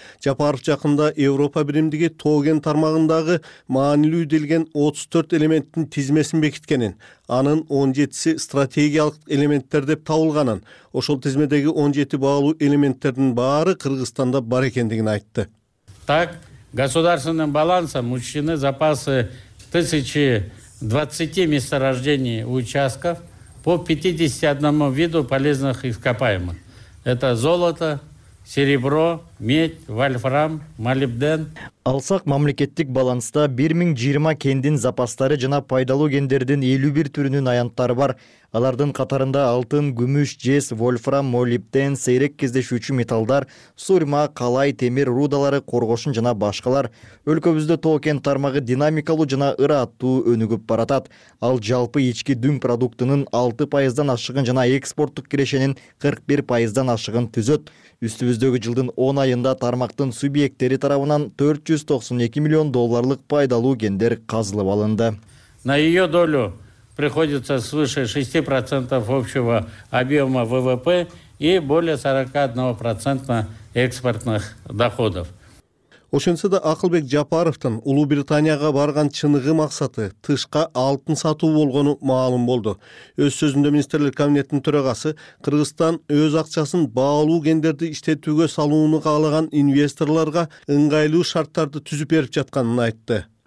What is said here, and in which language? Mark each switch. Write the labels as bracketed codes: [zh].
[ky] Жапаров жакында Европа биримдиги тоо-кен тармагындагы маанилүү делген 34 элементтин тизмесин бекиткенин, анын 17 стратегиялык элементтер деп табылганын, ошол тизмедеги 17 баалуу элементтердин баары Кыргызстанда бар экендигин айтты. [ru] Так, государственным балансом учтены запасы 1020 месторождений участков по 51 виду полезных ископаемых. Это золото, серебро, медь, вольфрам, молибден. [ky] Алсак мамлекеттик баланста 1020 кендин запастары жана пайдалуу кендердин 51 түрүнүн аянттары бар. Алардын катарында алтын, күмүш, жез, вольфрам, молибден, сейрек кездешүүчү металдар, сурьма, калай, темир рудалары, коргошун жана башкалар. Өлкөбүздө тоо-кен тармагы динамикалуу жана ыраттуу өнүгүп баратат. Ал жалпы ички дүн продуктунун 6% ашыгын жана экспорттук кирешенин 41% ашыгын түзөт. Үстүбүздөгү жылдын 10 айында тармактын субъекттери тарабынан 492 миллион долларлык пайдалуу кендер казылып алынды. [ru] На её долю приходится свыше 6% общего объема ВВП и более 41% экспортных доходов. [ky] Ошентсе да Акылбек Жапаровтун Улуу Британияга барган чыныгы максаты тышка алтын сатуу болгону маалым болду. Өз сөзүндө министрлер кабинетинин төрагасы Кыргызстан өз акчасын баалуу кендерди иштетүүгө салууну каалаган инвесторлорго ыңгайлуу шарттарды түзүп берип жатканын айтты.